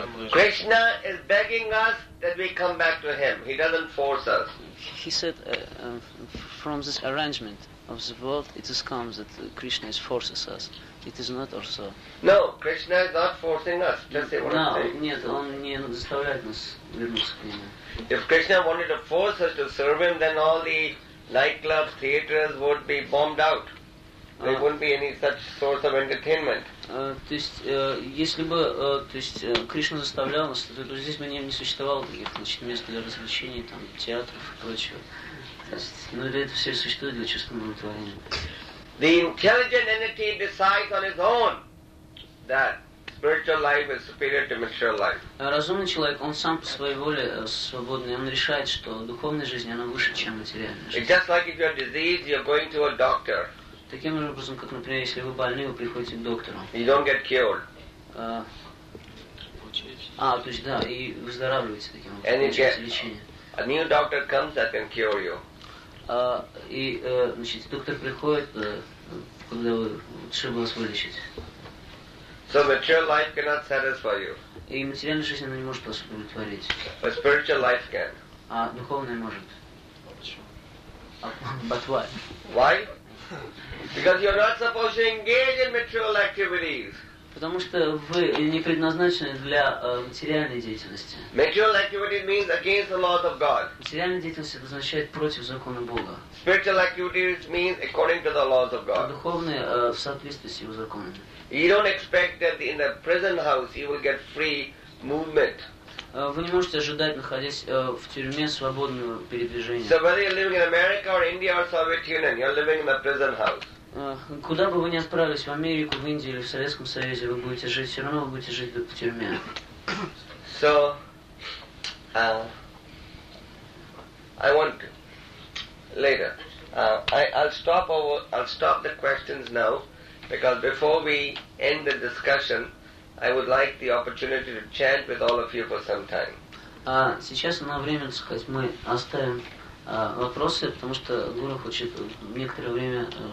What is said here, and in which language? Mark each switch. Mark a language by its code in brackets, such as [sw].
[en] Krishna is begging us that we come back to him. He doesn't force us. He said from this arrangement of the world, it has come that Krishna is forces us. It is not or so. No, Krishna is not forcing us. Just no, [ru] нет, он не заставляет нас вернуться к нему. [en] If Krishna wanted to force us to serve him, then all the nightclubs, theaters would be bombed out. There wouldn't be any such source of entertainment. [ru] То есть, если бы, то есть, Кришна заставлял нас, то здесь бы не существовало таких, значит, мест для развлечений, там, театров и прочего. То есть, ну, это все существует для чувственного удовлетворения. [en] The intelligent entity decides on his own that spiritual life is superior to material life. [ru] Разумный человек, он сам по своей воле свободный, он решает, что духовная жизнь она выше, чем материальная жизнь. [en] It's just like if you're diseased, you're going to a doctor. [ru] Таким же образом, как, например, если вы больны, вы приходите к доктору. [en] You don't get cured. [ru] То есть да, и выздоравливаете таким образом, получаете лечение. [en] A new doctor comes that can cure you. [ru] Значит, доктор приходит, когда вы лучше бы вас вылечить. [en] So material life cannot satisfy you. [ru] И материальная жизнь она не может вас удовлетворить. [en] But spiritual life can. [ru] А духовная может. Почему? [en] But why? Why? Because you're not supposed to engage in material activities. [ru] Потому что вы не предназначены для материальной деятельности. [en] Material activity means against the laws of God. [ru] Материальная деятельность означает против закона Бога. [en] Spiritual activity means according to the laws of God. [ru] Духовные в соответствии с его законами. [en] You don't expect that in the prison house you will get free movement. [ru] вы не можете ожидать, находясь в тюрьме, свободного передвижения. [en] So whether you're living in America or India or Soviet Union, you're living in a prison house. [ru] Куда бы вы ни отправились, в Америку, в Индию или в Советском Союзе, вы будете жить, все равно вы будете жить в тюрьме. [en] So, I want to, later. I'll stop the questions now, because before we end the discussion, I would like the opportunity to chant with all of you for some time. [ru] Сейчас на время, так сказать, мы оставим вопросы, потому что Гуру хочет некоторое время